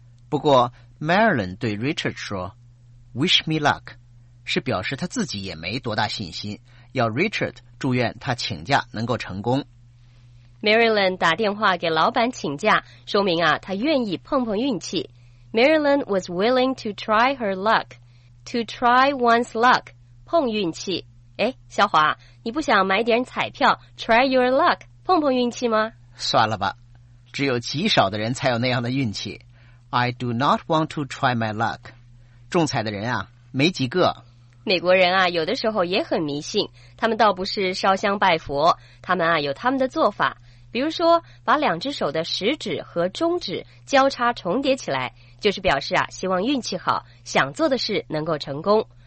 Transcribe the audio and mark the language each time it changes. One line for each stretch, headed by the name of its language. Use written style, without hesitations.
Chinese: 不过 Marilyn 对 Richard 说
English: wish me luck
Chinese: 是表示他自己也没多大信心，要 Richard 祝愿他请假能够成功。 Marilyn 打电话给老板请假，说明啊，他愿意碰碰运气。
English: Marilyn was willing to try her luck. To try one's luck,
Chinese: 碰运气。哎，小华，你不想买点彩票
English: try your luck,
Chinese: 碰碰运气吗？算了吧，只有极少的人才有那样的运气。
English: I do not want to try my luck.
Chinese: 中彩的人啊没几个。美国人啊，有的时候也很迷信，他们倒不是烧香拜佛，他们啊有他们的做法，比如说把两只手的食指和中指交叉重叠起来，就是表示啊希望运气好，想做的事能够成功。